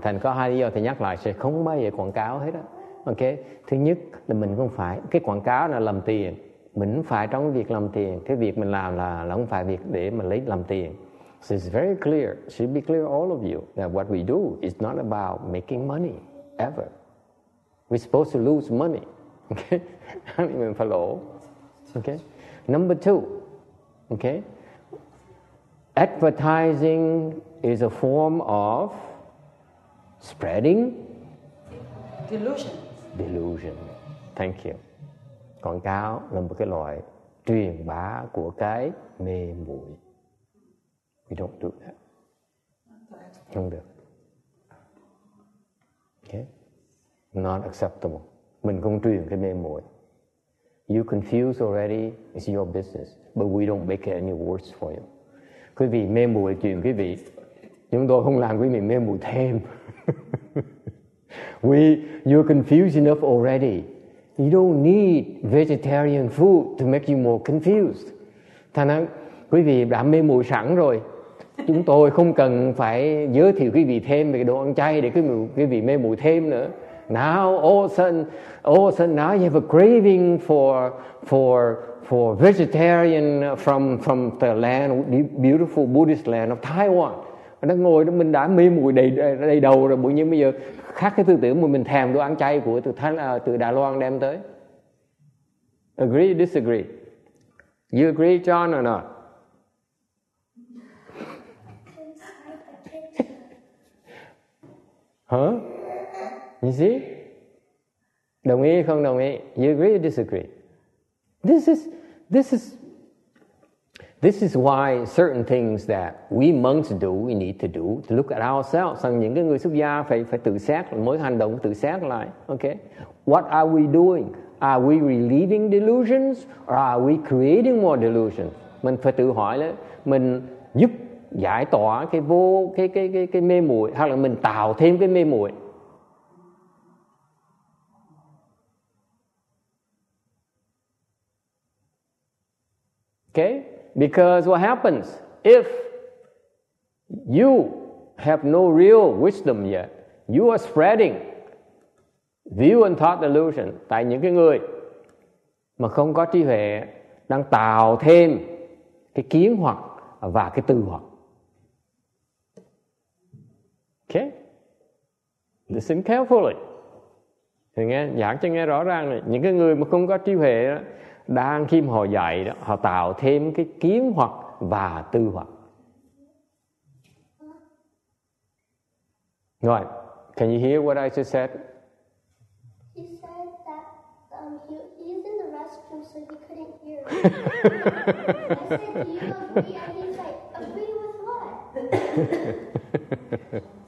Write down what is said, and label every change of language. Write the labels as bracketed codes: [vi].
[vi] Thành có hai lý do thầy nhắc lại sẽ không bao giờ quảng cáo hết á. Okay. Thứ nhất là mình không phải cái quảng cáo là làm tiền. Mình phải trong việc làm tiền. Cái việc mình làm là không phải việc để mà lấy làm tiền. [en] So it's very clear. Should be clear all of you that what we do is not about making money ever. We're supposed to lose money. Okay. [vi] Mình phải lỗ. [en] Okay. Number two. Okay, advertising is a form of spreading delusion. Delusion. Thank you. [vi] Quảng cáo là một cái loại truyền bá của cái mê muội. [en] We don't do that. [vi] Không được. [en] Okay, not acceptable. [vi] Mình không truyền cái mê muội. [en] You confused already. It's your business. But we don't make it any worse for you. [vi] Quý vị mê mùi chuyện quý vị, chúng tôi không làm quý vị mê mùi thêm. [en] You're confused enough already. You don't need vegetarian food to make you more confused. [vi] Thành ra quý vị đã mê mùi sẵn rồi. Chúng tôi không cần phải giới thiệu quý vị thêm về đồ ăn chay để quý vị mê mùi thêm nữa. [en] Now all of a sudden now you have a craving for vegetarian from the land, beautiful Buddhist land of Taiwan. [vi] Nó ngồi đó mình đã mê mùi đầy đầu rồi, bởi vì bây giờ khác cái tư tưởng mà mình thèm đồ ăn chay của từ Đài Loan đem tới. [en] Agree, disagree? You agree, John, or not? Huh? You see? [vi] Đồng ý không đồng ý? [en] You agree or disagree? This is why certain things that we monks do, we need to do to look at ourselves. [vi] Rằng những cái người xuất gia phải tự xét, mỗi hành động tự xét lại. Okay? [en] What are we doing? Are we relieving delusions or are we creating more delusions? [vi] Mình phải tự hỏi là mình giúp giải tỏa cái mê muội hay là mình tạo thêm cái mê muội. [en] Okay, because what happens if you have no real wisdom yet? You are spreading view and thought delusion. [vi] Tại những cái người mà không có trí huệ đang tạo thêm cái kiến hoặc và cái tư hoặc. [en] Okay, listen carefully. [vi] Thì nghe giảng cho nghe rõ ràng này. Những cái người mà không có trí huệ đó, đang khi họ dạy đó, họ tạo thêm cái kiến hoặc và tư hoặc. [en] Right. Can you hear what I just said? You said that so he couldn't hear. I said, "Do you agree?" And he's like, "Agree with what?"